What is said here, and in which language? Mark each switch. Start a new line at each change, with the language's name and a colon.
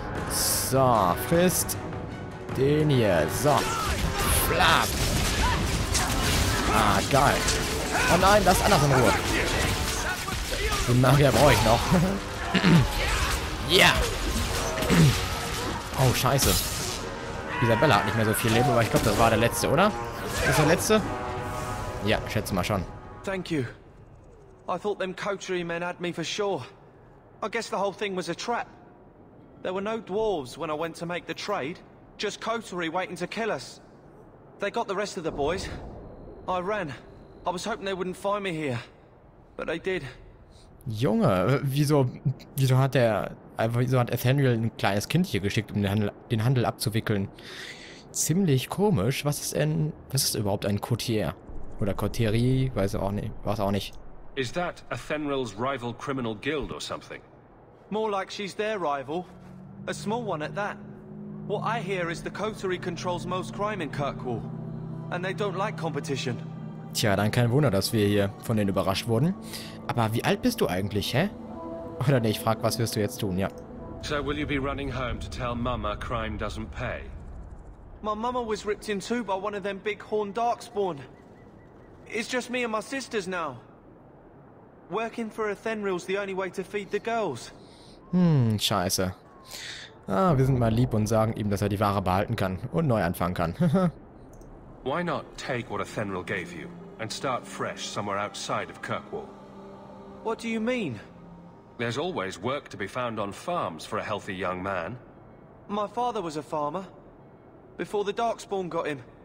German: So, frisst den hier. So. Flap. Ah, geil. Oh nein, lass anders in Ruhe. Den Magier brauche ich noch. Ja. Yeah. Oh, scheiße. Isabella hat nicht mehr so viel Leben, aber ich glaube, das war der letzte, oder? Das ist der letzte? Ja, schätze mal schon.
English: Thank you. I thought them Kotri men had me for sure. I guess the whole thing was a trap. There were no dwarves when I went to make the trade. Just Kotri waiting to kill us. They got the rest of the boys. I ran. I was hoping they wouldn't find me here. But they did.
German: Junge, wieso hat Ethaniel ein kleines Kind hier geschickt, um den Handel abzuwickeln? Ziemlich komisch. Was ist überhaupt ein Courtier? Oder Courterie, weiß auch nicht. Weiß auch nicht.
English: Is that Athenril's rival criminal guild or something? More like she's their rival. A small one at that. What I hear is the Coterie controls most crime in Kirkwall. And they don't like competition.
German: Tja, dann kein Wunder, dass wir hier von denen überrascht wurden. Aber wie alt bist du eigentlich, hä? Oder nee, ich frag, was wirst du jetzt tun, ja.
English: So will you be running home to tell Mama crime doesn't pay? My Mama was ripped in two by one of them big horn darkspawn. It's just me and my sisters now. Working for Athenril's the only way to feed the girls.
German: Scheiße. Ah, wir sind mal lieb und sagen ihm, dass er die Ware behalten kann und neu anfangen kann.
English: Why not take what Athenril gave you and start fresh somewhere outside of Kirkwall? What do you mean? There's always work to be found on farms for a healthy young man. My father was a farmer before the darkspawn got him.